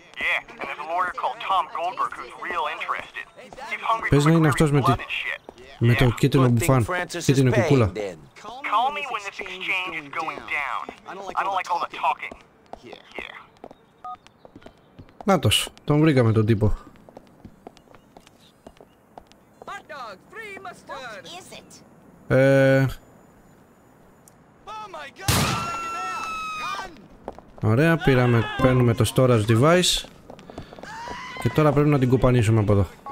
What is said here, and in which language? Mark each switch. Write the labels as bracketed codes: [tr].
[en] Yeah, and there's a lawyer called Tom Goldberg who's real interested. He's hungry [el] Πες να είναι αυτός με τη... με το κίτρινο μπουφάν, κίτρινο κουκούλα. [en] Call me when this exchange is going down. I don't like all the talking. Yeah. [el] Νάτος, τον βρήκαμε τον τύπο. [en] Hot dog, free mustard. What is it? Oh my god! [el] Ωραία, πήραμε, παίρνουμε το storage device και τώρα πρέπει να την κουπανίσουμε από εδώ.